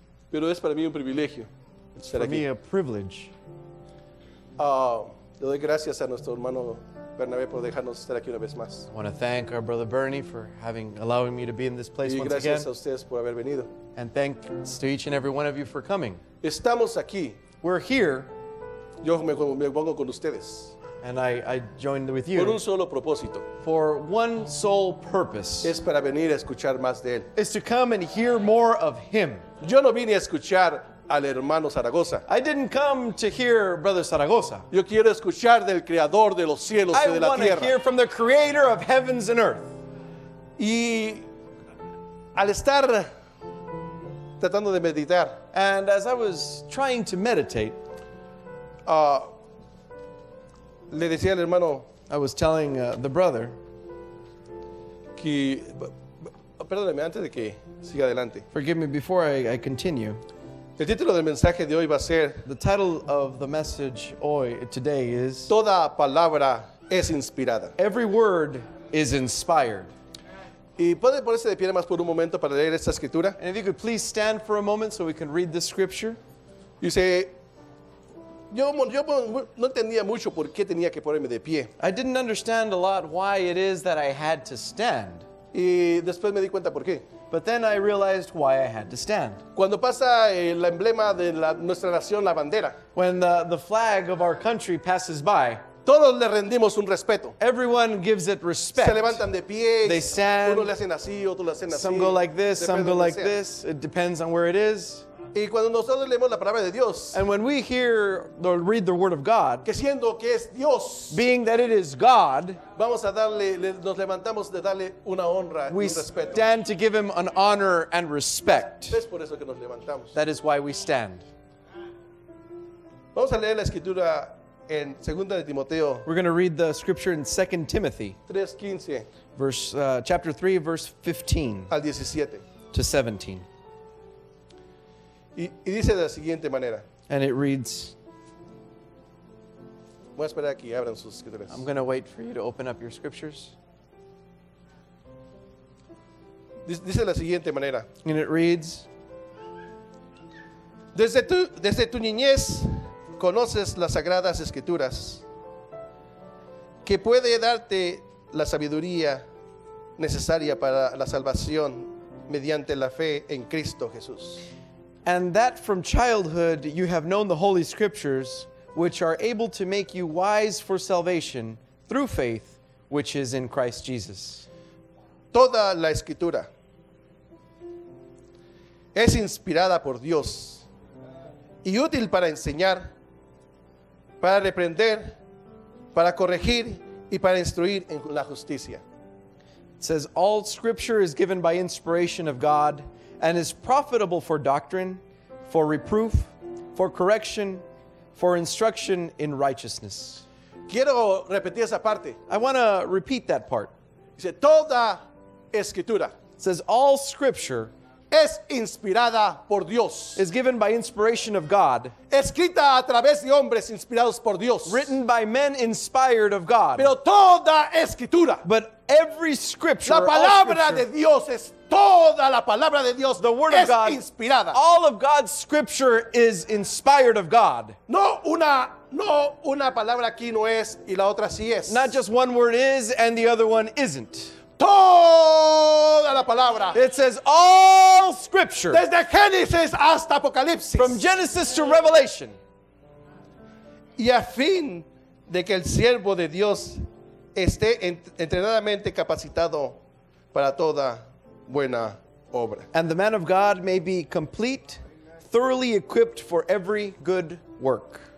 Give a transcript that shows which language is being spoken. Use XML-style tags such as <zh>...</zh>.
<es>Pero es para mí un privilegio estar aquí.</es> <en>For me, a privilege.</en> <es>Le doy gracias a nuestro hermano Bernabé por dejarnos estar aquí una vez más.</es> <en>I want to thank our brother Bernie for allowing me to be in this place once again.</en> <es>Y gracias a ustedes por haber venido.</es> <en>And thanks to each and every one of you for coming.</en> <es>Estamos aquí.</es> <en>We're here.</en> <es>Yo me pongo con ustedes.</es> <en>And I joined with you.</en> <es>Por un solo propósito.</es> <en>For one sole purpose.</en> <es>Es para venir a escuchar más de él.</es> <en>Is to come and hear more of him.</en> <es>Yo no vine a escuchar al hermano Zaragoza.</es> <en>I didn't come to hear Brother Zaragoza.</en> <es>Yo quiero escuchar del creador de los cielos y de la tierra.</es> <en>I want to hear from the creator of heavens and earth.</en> <es>Y al estar tratando de meditar,</es> <en>and as I was trying to meditate,</en> <es>le decía al hermano,</es> <en>I was telling the brother,</en> <es>que perdóneme antes de que siga adelante.</es> <en>Forgive me before I continue.</en> <es>El título del mensaje de hoy va a ser,</es> <en>the title of the message</en> <es>hoy</es> <en>today is,</en> <es>toda palabra es inspirada.</es> <en>Every word is inspired.</en> <es>Y puede ponerse de pie más por un momento para leer esta escritura.</es> <en>And if you could please stand for a moment so we can read this scripture. You say,</en> <es>yo no entendía mucho por qué tenía que ponerme de pie.</es> <en>I didn't understand a lot why it is that I had to stand.</en> <es>Y después me di cuenta por qué.</es> <en>But then I realized why I had to stand.</en> <es>Cuando pasa el emblema de nuestra nación, la bandera.</es> <en>When the flag of our country passes by.</en> <es>Todos le rendimos un respeto.</es> <en>Everyone gives it respect.</en> <es>Se levantan de pie.</es> <en>They stand.</en> <es>Uno le hacen así, otro le hacen así.</es> <en>Some go like this, some go like this. It depends on where it is.</en> <es>Y cuando nosotros leemos la palabra de Dios.</es> <en>And when we hear or read the word of God.</en> <es>Que siendo que es Dios.</es> <en>Being that it is God.</en> <es>Vamos a nos levantamos de darle una honra y un respeto.</es> <en>We stand to give him an honor and respect.</en> <es>Es por eso que nos levantamos.</es> <en>That is why we stand.</en> <es>Vamos a leer la escritura en 2 de Timoteo.</es> <en>We're going to read the scripture in 2 Timothy.</en> <es>3:15.</es> <en>Chapter 3, verse 15.</en> <es>Al 17.</es> <en>To 17.</en> <es>Y dice de la siguiente manera.</es> <en>And it reads.</en> <es>Voy a esperar aquí, abran sus escrituras.</es> <en>I'm going to wait for you to open up your scriptures.</en> <es>Dice de la siguiente manera.</es> <en>And it reads.</en> <es>Desde tu niñez conoces las sagradas escrituras que puede darte la sabiduría necesaria para la salvación mediante la fe en Cristo Jesús.</es> <en>And that from childhood you have known the holy scriptures which are able to make you wise for salvation through faith which is in Christ Jesus.</en> <es>Toda la escritura es inspirada por Dios y útil para enseñar, para reprender, para corregir y para instruir en la justicia.</es> <en>It says, all scripture is given by inspiration of God and is profitable for doctrine, for reproof, for correction, for instruction in righteousness.</en> <es>Quiero repetir esa parte.</es> <en>I want to repeat that part.</en> <es>Dice, toda escritura.</es> <en>It says, all scripture</en> <es>es inspirada por Dios.</es> <en>Is given by inspiration of God.</en> <es>Escrita a través de hombres inspirados por Dios.</es> <en>Written by men inspired of God.</en> <es>Pero toda escritura.</es> <en>But every scripture.</en> <es>La palabra de Dios es toda la palabra de Dios.</es> <en>The word</en> <es>es</es> <en>of God.</en> <es>Inspirada.</es> <en>All of God's scripture is inspired of God.</en> <es>No una palabra aquí no es y la otra sí es.</es> <en>Not just one word is and the other one isn't.</en> <es>Toda la palabra.</es> <en>It says all scripture.</en> <es>Desde Génesis hasta Apocalipsis.</es> <en>From Genesis to Revelation.</en> <es>Y a fin de que el siervo de Dios esté entrenadamente capacitado para toda buena obra.</es> <en>And the man of God may be complete, thoroughly equipped for every good work.</en>